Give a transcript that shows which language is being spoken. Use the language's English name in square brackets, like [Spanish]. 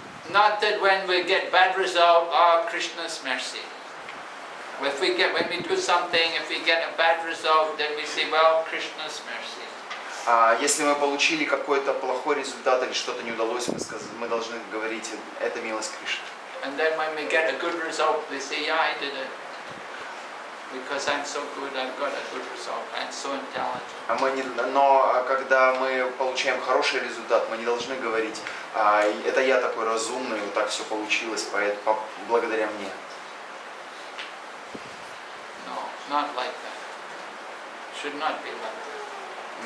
[English] Not that when we get bad result, oh, Krishna's mercy. If we get, when we do something, if we get a bad result, then we say, well, Krishna's mercy. [Russian] А если мы получили какой-то плохой результат или что-то не удалось, мы должны говорить, это милость Кришны. [English] And then when we get a good result, we say, yeah, I did it. Because I'm so good, I've got a good result. I'm so intelligent. [Russian] Но когда мы получаем хороший результат, мы не должны говорить, а это я такой разумный, вот так все получилось, поэтому благодаря мне. [English] No, not like that. Should not be like that.